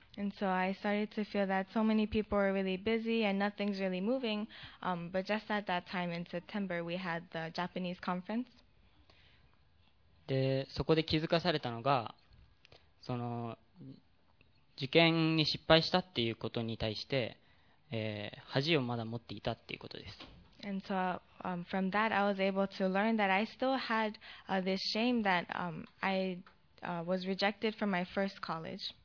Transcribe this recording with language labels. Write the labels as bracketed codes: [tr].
[en] And so I started to feel that so many people are really busy and nothing's really moving. But just at that time in September, we had the Japanese conference. [ja] で、そこで気づかされたのが、その受験に失敗したっていうことに対して、恥をまだ持っていたっていうことです。 [en] And so, from that, I was able to learn that I still had this shame that I was rejected from my first college.